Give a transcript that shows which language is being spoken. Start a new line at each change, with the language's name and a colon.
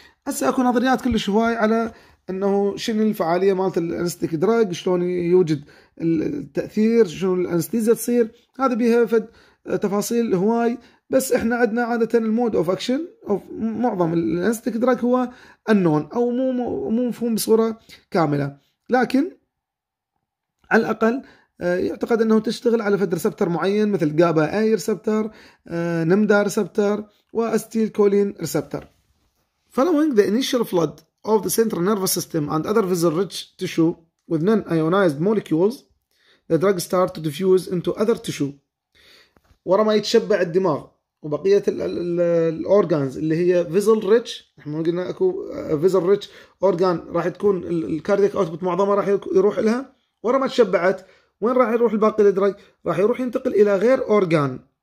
Arabic: هسه اكو نظريات كلش هواي على انه شنو الفعاليه مالت الانستيك دراج، شلون يوجد التاثير، شنو الانستيزيا تصير، هذا بيها فد تفاصيل هواي، بس احنا عندنا عاده المود اوف اكشن اوف معظم الانستيك دراج هو النون او مو مفهوم بصوره كامله، لكن على الاقل يعتقد انه تشتغل على فد ريسبتر معين مثل جابا اي ريسبتر، نمدا ريسبتر، واستيل كولين ريسبتر.
English: Following the initial flood of the central nervous system and other vessel rich tissue with non ionized molecules the drug starts to diffuse into other tissue.
Arabic: ورا ما يتشبع الدماغ وبقيه الاورجانز اللي هي vessel rich، احنا قلنا اكو vessel rich organ راح تكون الكاردييك اوتبوت معظمها راح يروح لها، ورا ما تشبعت وين راح يروح الباقي الدراج؟ راح يروح ينتقل الى غير اورجان.